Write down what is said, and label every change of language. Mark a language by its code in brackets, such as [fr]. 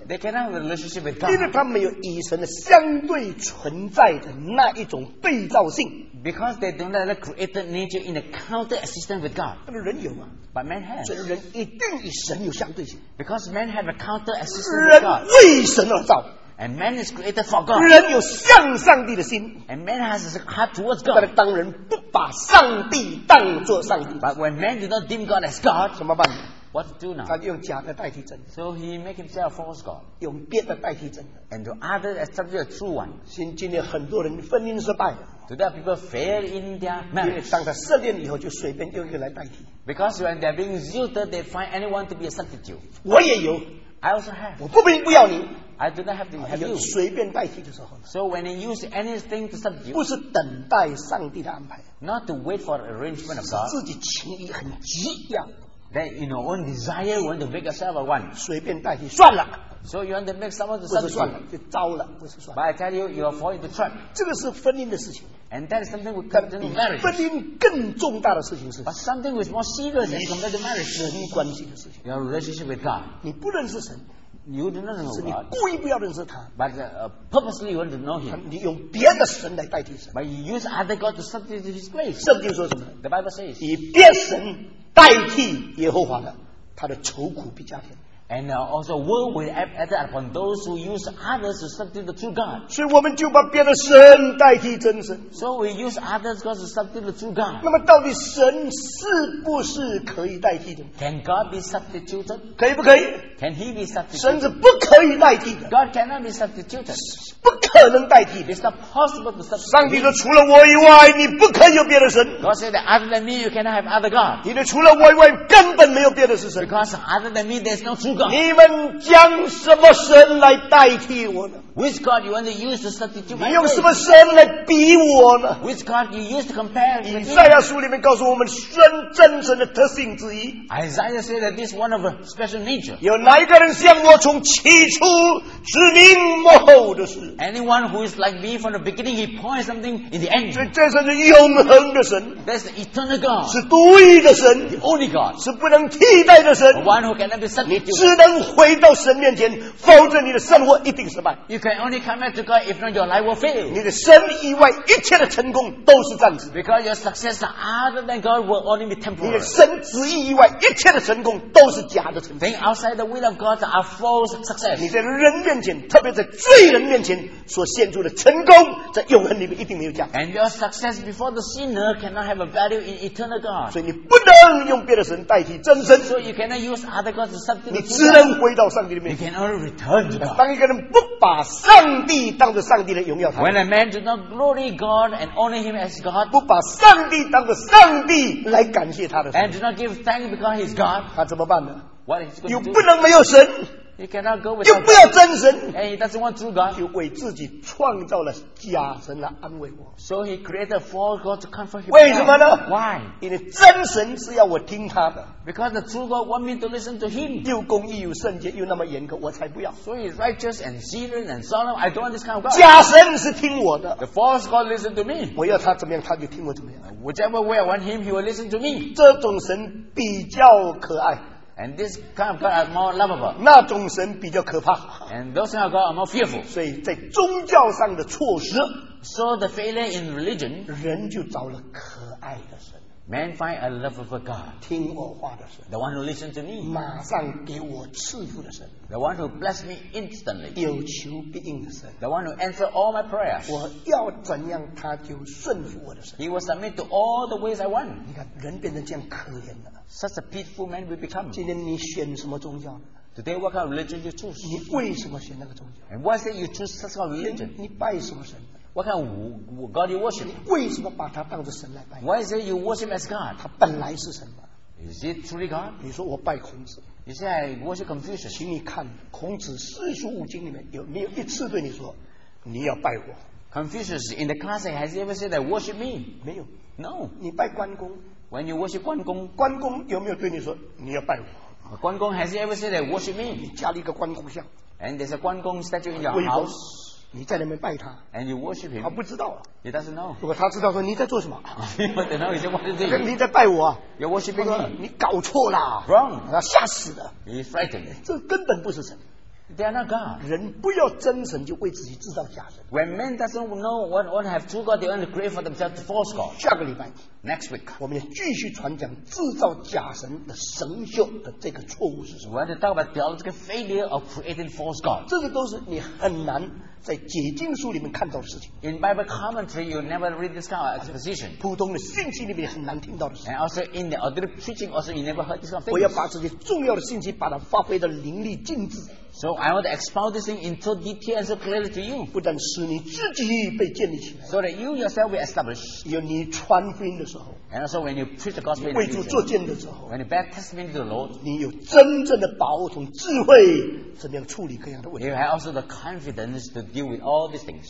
[en] They cannot have a relationship with God. [zh] 因为他们没有与神的相对存在的那一种被造性。 [en] Because they don't let the created nature in a counter existence with God. [zh] 那么人有吗？ [en] But man has. [zh] 所以人一定与神有相对性。 [en] Because man have a counter existence with God. [zh] 人为神而造。 [en] And man is created for God. [zh] 人有向上帝的心。 [en] And man has a heart towards God. [zh] 但是当人不把上帝当作上帝。 [en] But when man does not deem God as God, [zh] 怎么办？ [en] What to do now? [zh] 他用假的代替真的。 [en] So he make himself a false god. [zh] 用别的代替真的。 [en] And to others as a true one. [zh] 现今天很多人婚姻失败。 [en] Today people fail in their marriage. [zh] 因为当他失恋以后，就随便用一个来代替。 [en] Because when they're being zealous, they find anyone to be a substitute. [zh] 我也有。 [en] I also have. [zh] 我不明不要你。 [en] I do not have to have you. [zh] 随便代替的时候。 [en] So when they use anything to substitute. [zh] 不是等待上帝的安排。 [en] Not to wait for arrangement of God. [zh] 自己情意很急呀。 [en] That in your own desire, you want to make yourself a one. [zh] 随便代替算了。 [en] So you want to make someone to substitute. [zh] 不是算了，就糟了，不是算了。 [en] But I tell you, you are falling into trap. [zh] 这个是婚姻的事情。 [en] And that is something with compared to marriage. [zh] 婚姻更重大的事情是。 [en] But something with more serious than compared to marriage. [zh] 人关系的事情。 [en] Your relationship with God. [zh] 你不认识神。 [en] You do not know God. [zh] 是你故意不要认识他。 [en] But purposely you want to know him. [zh] 你用别的神来代替神。 [en] But you use other God to substitute his place. [zh] 圣经说什么？ [en] The Bible says. [zh] 以别神。代替耶和华的，他的愁苦必加添。 [en] And also, word will be added upon those who use others to substitute the true God. [zh] 所以我们就把别的神代替真神。 [en] So we use others to substitute the true God. [zh] 那么到底神是不是可以代替的 [en] ？Can God be substituted? [zh] 可以不可以 [en] ？Can He be substituted? [zh] 神是不可以代替的。 [en] God cannot be substituted. [zh] 不可能代替的。 [en] It's not possible to substitute. [zh] 上帝说，除了我以外，你不可有别的神。 [en] God said that other than me, you cannot have other God. [zh] 你的除了我以外，根本没有别的是神。 [en] Because other than me, there's no true God. [zh] 你们将什么神来代替我呢？ [en] Which God you want to use to substitute? [zh] 你用什么神来比我呢 [en] ？Which God you use to compare? [zh] 以赛亚书里面告诉我们神真神的特性之一。 [en] Isaiah said that this one of a special nature. [zh] 有哪一个人像我从起初指明幕后的事 [en] ？Anyone who is like me from the beginning, he points something in the end. [zh] 所以这才是永恒的神。 [en] That's the eternal God. [zh] 是独一的神。 [en] The only God. [zh] 是不能替代的神。 [en] One who cannot be substituted. [zh] 你只能回到神面前，否则你的生活一定失败。 [en] You can only come back to God if not your life will fail. [zh] 你的神以外一切的成功都是暂时。 [en] Because your success other than God will only be temporary. [zh] 你的神旨意以外一切的成功都是假的成功。 [en] Then outside the will of God are false success. [zh] 你在人面前，特别在罪人面前所显出的成功，在永恒里面一定没有价值。 [en] And your success before the sinner cannot have a value in eternal God. [zh] 所以你不能用别的神代替真神。 [en] So you cannot use other gods to substitute. [zh] 你只能回到上帝里面。 [en] You can only return to God. [zh] 当一个人不把上帝当作上帝的荣耀他 [en] When a man does not glory God and honor him as God [zh] 不把上帝当作上帝来感谢他的 [en] And does not give thanks because he is God [zh] 他怎么办呢 [en] What is he going to do? [zh] 又不能没有神 [en] He cannot go without [zh] 又不要真神 [en] And he doesn't want true God [zh] 又为自己创造了假神来安慰我 [en] So he created a false God to comfort him [zh] 为什么呢 [en] Why? [zh] 因为真神是要我听他的 [en] Because the true God wants me to listen to him. [zh] 又公义又圣洁又那么严格我才不要。 [en] So he's righteous and serious and solemn. I don't want this kind of God. [zh] 假神是听我的。 [en] The false God listens to me. [zh] 我要他怎么样他就听我怎么样。 [en] Whichever way I want him, he will listen to me. [zh] 这种神比较可爱。 [en] And this kind of God are more lovable. [zh] 那种神比较可怕。 [en] And those kind of God are more fearful. [zh] 所以在宗教上的错失。 [en] So the failure in religion. [zh] 人就找了可爱的神。 [en] Man find a love of a God. [zh] 听我话的神 [en] The one who listens to me. [zh] 马上给我赐福的神 [en] The one who bless me instantly. [zh] 有求必应的神 [en] The one who answers all my prayers. [zh] 我要怎样他就顺服我的神 [en] He will submit to all the ways I want. [zh] 你看人变成这样可怜的 [en] Such a pitiful man we become. [zh] 今天你选什么宗教 [en] Today what kind of religion you choose? [zh] 你为什么选那个宗教 [en] And why say you choose such a religion? [zh] 你拜什么神 [en] What kind of God you worship? [zh] 为什么把他当作神来拜？ [en] Why is it you worship as God? [zh] 他本来是什么？ [en] Is it truly God? [zh] 你说我拜孔子。 [en] You say I worship Confucius. [zh] 请你看孔子四书五经里面有没有一次对你说你要拜我？ [en] Confucius in the classic has he ever said that worship me? [zh] 没有。 [en] No. [zh] 你拜关公。 [en] When you worship 关公。 [zh] 关公有没有对你说你要拜我？ [en] 关公 has he ever said that worship me? [zh] 你加了一个关公像。 [en] And there's a 关公 statue in your house. [zh] 你在那边拜他 [en] ，and you worship him， [zh] 他不知道 [en] ，he doesn't know。 [zh] 如果他知道说你在做什么 [en] ，he doesn't know he's worshiping。 [zh] 你在拜我 [en] ，you're worshiping me。 [zh] 你搞错了 [en] ，wrong， [zh] 他吓死了 [en] ，he's frightened。 [zh] 这根本不是神 [en] ，they are not God。 [zh] 人不要真神，就为自己制造假神。 [en] When men doesn't know what one have true God, they only create for themselves the false God。 [zh] 下个礼拜 [en] ，next week， [zh] 我们要继续传讲制造假神的神秀的这个错误是什么。 [en] We're going to talk about theological failure of creating false God。 [zh] 这个都是你很难。在解经书里面看到的事情 [en] In Bible commentary you never read this kind of exposition [zh] 普通的信息里面很难听到的事情 [en] And also in the ordinary preaching also you never heard this kind of [zh] thing 我要把这些重要的信息把它发挥得淋漓尽致 [en] So I want to expound this thing in so detail and so clearly to you [zh] 不但使你自己被建立起来 [en] So that you yourself will establish [zh] 有你传福音的时候 [en] And also when you preach the gospel [zh] 为主做见的时候 [en] When you bear testimony to the Lord [zh] 你有真正的把握从智慧怎么样处理各样的问题 [en] You have also the confidence to deal with all these things